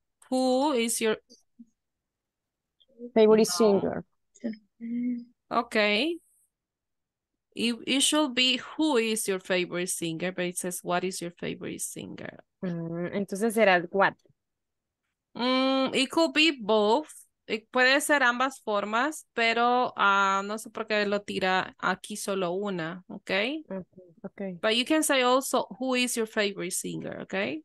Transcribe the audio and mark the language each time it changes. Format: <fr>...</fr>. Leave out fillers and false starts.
<en>Who is your favorite singer? Okay. It should be who is your favorite singer, but it says what is your favorite singer.</en> <es>Entonces será what.</es> <en>It could be both.</en> <es>It puede ser ambas formas, pero no sé por qué lo tira aquí solo una, okay?</es> <en>Okay. But you can say also who is your favorite singer, okay?</en>